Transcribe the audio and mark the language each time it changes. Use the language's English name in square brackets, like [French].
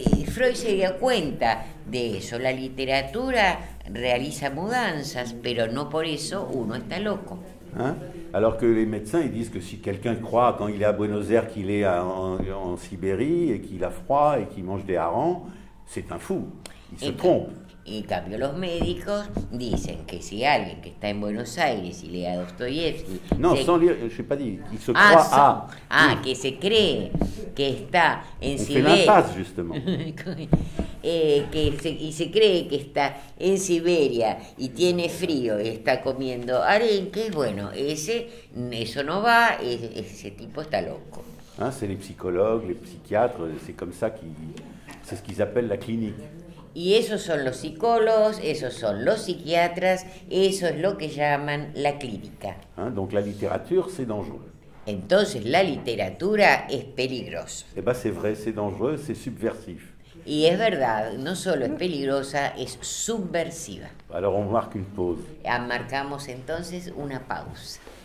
[Spanish] Freud se dio cuenta de eso, la literatura realiza mudanzas, pero no por eso uno está loco. [French] Hein? Alors que les médecins ils disent que si quelqu'un croit quand il est à Buenos Aires qu'il est en Sibérie et qu'il a froid et qu'il mange des harengs, c'est un fou, il se trompe. [Spanish] En cambio, los médicos dicen que si alguien que está en Buenos Aires y lee a Dostoyevsky... [French] No, sans lire, je n'ai pas dit, qu'il se croit à... [Spanish] Ah, que se cree que está en Sibérie... [French] On fait l'impasse, justement. [Spanish] se cree que está en Siberia y tiene frío y está comiendo arenque, bueno, eso no va, ese tipo está loco. [French] Hein, c'est les psychologues, les psychiatres, c'est comme ça c'est ce qu'ils appellent la clinique. [Spanish] Y esos son los psicólogos, esos son los psiquiatras, eso es lo que llaman la clínica. [French] Hein, donc la littérature, c'est dangereux. [Spanish] Entonces la literatura es peligrosa. [French] Eh ben, c'est vrai, c'est dangereux, c'est subversif. [Spanish] Y es verdad, no solo es peligrosa, es subversiva. [French] Alors on marque une pause. [Spanish] Marcamos entonces una pausa.